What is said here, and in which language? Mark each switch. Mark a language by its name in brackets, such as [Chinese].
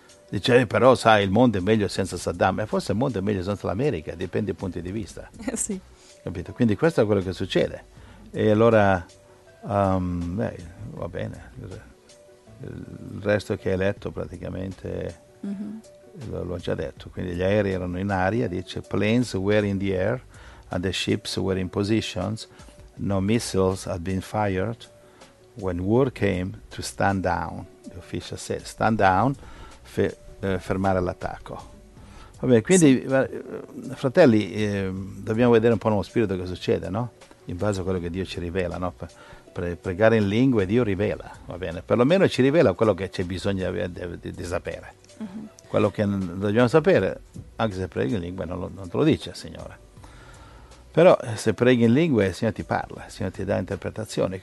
[Italian] Dice, però sai, il mondo è meglio senza Saddam. E forse il mondo è meglio senza l'America, dipende dai punti di vista. Sì. Capito? Quindi questo è quello che succede. E allora... va bene, il resto che hai letto praticamente l'ho già detto. Quindi gli aerei erano in aria, dice: [English] planes were in the air and the ships were in positions, no missiles had been fired when war came to stand down. The official said stand down, [Italian] fermare l'attacco. Va bene, quindi fratelli, dobbiamo vedere un po' nello spirito che succede, no? In base a quello che Dio ci rivela, no? Pregare in lingue, Dio rivela, va bene, perlomeno ci rivela quello che c'è bisogno di sapere, quello che dobbiamo sapere, anche se preghi in lingue non te lo dice il Signore, però se preghi in lingue il Signore ti parla, il Signore ti dà interpretazione.